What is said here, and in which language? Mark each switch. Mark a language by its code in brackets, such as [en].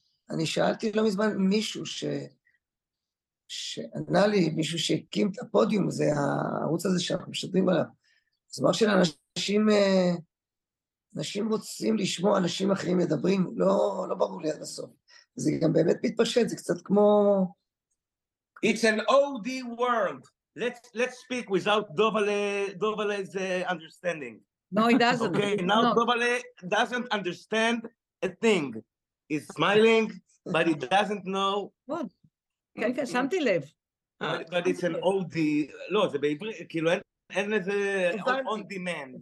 [he] אני שאלתי לא מזמן מישהו שענה לי, מישהו שהקים את הפודיום, זה הערוץ הזה שאנחנו משתדרים עליו. זאת אומרת שאנשים רוצים לשמוע אנשים אחרים מדברים, לא ברור לי עד הסוף. זה גם באמת מתפשט, זה קצת כמו... [en] It's an OD world. Let's speak without Dovale's understanding. No, he doesn't. Okay, now no. Dovale doesn't understand a thing. He's smiling, but he doesn't know. What? [he] Okay, שמתי לב. [en] But it's an OD. [he] לא, זה בעברית, כאילו, אין איזה on demand.